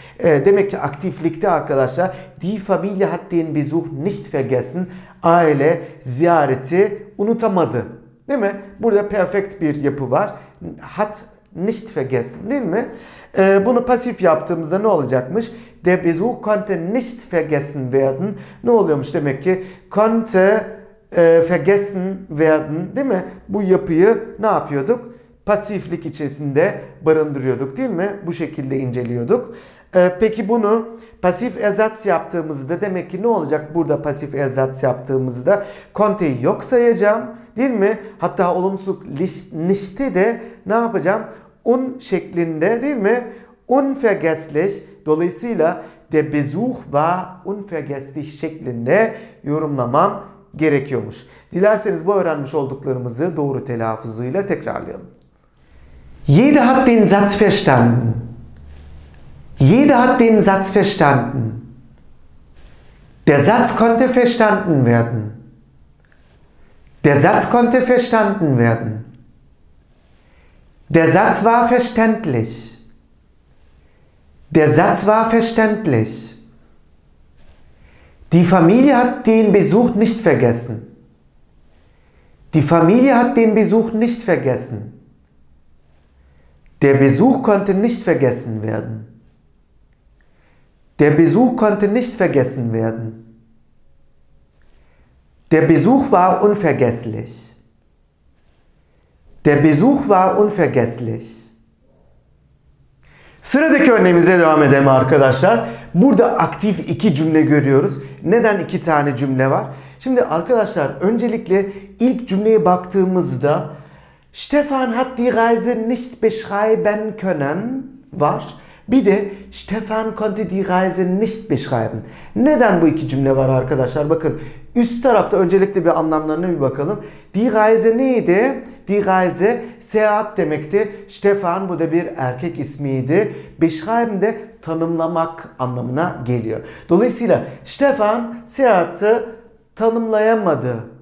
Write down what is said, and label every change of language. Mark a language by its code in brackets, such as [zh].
[tr] Demek ki aktiflikte arkadaşlar [de] die Familie hat den Besuch nicht vergessen, [tr] aile ziyareti unutamadı. Değil mi? Burada perfekt bir yapı var. [de] Hat nicht vergessen, [tr] değil mi? Bunu pasif yaptığımızda ne olacakmış? [de] Der Besuch konnte nicht vergessen werden. [tr] Ne oluyormuş demek ki? [de] Konnte vergessen werden, [tr] değil mi? Bu yapıyı ne yapıyorduk? Pasiflik içerisinde barındırıyorduk değil mi? Bu şekilde inceliyorduk. Peki bunu pasif ersatz yaptığımızda demek ki ne olacak burada pasif ersatz yaptığımızda? Konnte'yi yok sayacağım değil mi? Hatta olumsuz nicht'i de ne yapacağım? Un şeklinde değil mi? Unvergesslich, dolayısıyla [de] der Besuch war unvergesslich [tr] şeklinde yorumlamam gerekiyormuş. Dilerseniz bu öğrenmiş olduklarımızı doğru telaffuzuyla tekrarlayalım. [de] Jeder hat den Satz verstanden. Jeder hat den Satz verstanden. Der Satz konnte verstanden werden. Der Satz konnte verstanden werden. Der Satz war verständlich. Der Satz war verständlich. Die Familie hat den Besuch nicht vergessen. Die Familie hat den Besuch nicht vergessen. Der Besuch konnte nicht vergessen werden. Der Besuch konnte nicht vergessen werden. Der Besuch war unvergesslich. Der Besuch war unvergesslich. [tr] Sıradaki örneğimize devam edelim arkadaşlar. Burada aktif iki cümle görüyoruz. Neden iki tane cümle var? Şimdi arkadaşlar öncelikle ilk cümleye baktığımızda [de] Stefan hat die Reise nicht beschreiben können. [tr] Var. Bir de [de] Stefan konnte die Reise nicht beschreiben. [tr] Neden bu iki cümle var arkadaşlar? Bakın üst tarafta öncelikle bir anlamlarına bir bakalım. [de] Die Reise [tr] neydi? [de] Die Reise [tr] seyahat demekti. Stefan bu da bir erkek ismiydi. Beschreiben de tanımlamak anlamına geliyor. Dolayısıyla Stefan seyahati tanımlayamadı.